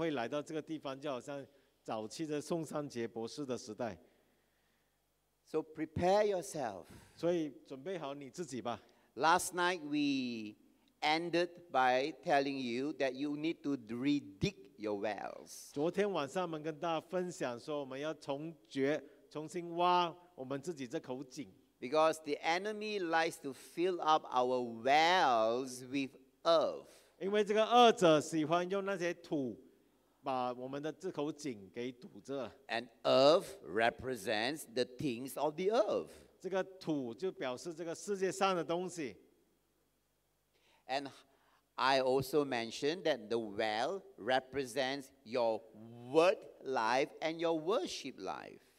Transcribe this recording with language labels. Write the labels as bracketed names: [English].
[Chinese] 这个我来这里来提醒你，让你准备好，因为这个大复兴将会来到这个地方，就好像。早期的宋三杰博士的时代 [English] So prepare yourself. [Chinese] 所以准备好你自己吧。 [English] Last night we ended by telling you that you need to redig your wells. [Chinese] 昨天晚上我们跟大家分享说，我们要重掘，重新挖我们自己这口井。 [English] Because the enemy likes to fill up our wells with earth. [Chinese] 因为这个恶者喜欢用那些土。把我们的这口井给堵着。And [English] earth represents the things of the earth. [Chinese] 这个土就表示这个世界上的东西。And [English] I also mentioned that the well represents your word life and your worship life.